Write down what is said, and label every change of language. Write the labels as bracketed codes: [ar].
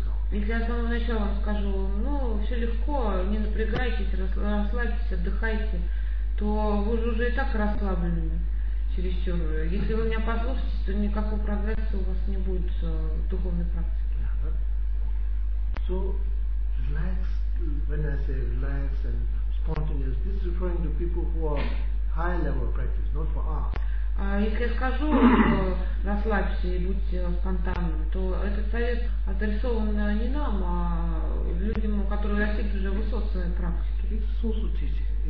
[ru] Если я с самого начала вам скажу, ну, все легко, не напрягайтесь, расслабьтесь, отдыхайте, то вы же уже и так расслаблены чересчур. Если вы меня послушаете, то никакого прогресса у вас не будет в духовной практике. [en] So, relax, when I say relax and spontaneous, this is referring to people who are high level practice, not for us. [ru] Если я скажу, расслабьтесь и будьте спонтанными, то этот совет адресован не нам, а людям, которые достигли уже высокой практики.